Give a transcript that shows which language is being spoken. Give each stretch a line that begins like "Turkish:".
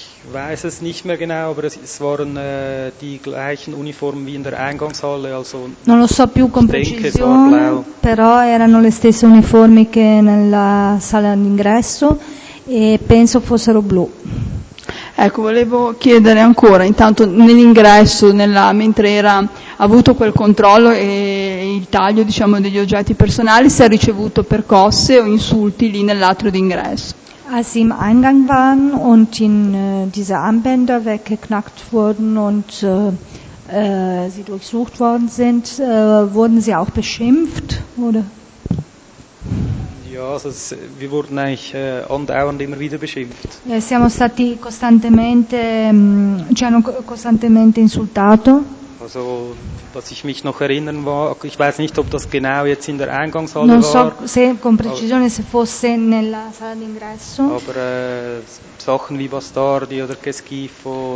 German: Weiß es nicht mehr genau, aber es waren die gleichen Uniformen wie in der Eingangshalle, also
Italian: non lo so più con precisione, però erano le stesse uniformi che nella sala d'ingresso e penso fossero blu. Ecco, volevo chiedere ancora, intanto nell'ingresso, mentre era avuto quel controllo e il taglio, diciamo, degli oggetti personali, se ha ricevuto percosse o insulti lì nell'atrio d'ingresso.
German: Als sie im Eingang waren und in diese Armbänder weggeknackt wurden und sie durchsucht worden sind, wurden sie auch beschimpft, oder? Ja, also wir wurden eigentlich andauernd immer wieder beschimpft.
Italian: Siamo stati costantemente, ci hanno costantemente insultato.
German: Also, was ich mich noch erinnern war, ich weiß nicht, ob das genau jetzt in der Eingangshalle
Italian: non so
German: war.
Italian: Se, con precisione, se fosse nella sala d'ingresso.
German: Aber Sachen wie Bastardi oder
Italian: Che Schifo.